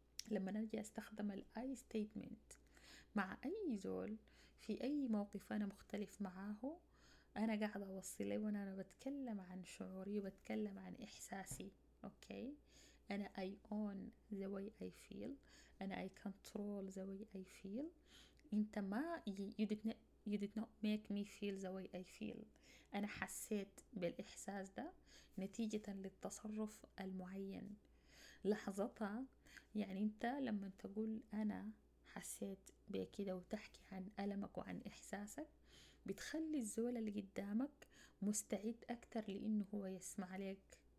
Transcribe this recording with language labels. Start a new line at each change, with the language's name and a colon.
Arabic: لما نجي أستخدم الآي ستيتمنت مع أي زول في أي موقف أنا مختلف معاه، أنا قاعدة أوصل لي وأنا بتكلم عن شعوري وبتكلم عن إحساسي، أوكي؟ أنا
English: I own the way I feel،
Arabic: أنا
English: I control the way I feel.
Arabic: أنت ما
English: you did not make me feel the way I feel.
Arabic: أنا حسيت بالإحساس ده نتيجة للتصرف المعين لحظتها. يعني أنت لما تقول أنا حسيت بكده وتحكي عن ألمك وعن إحساسك، بتخلي الزول اللي قدامك مستعد أكتر لأنه هو يسمع لك.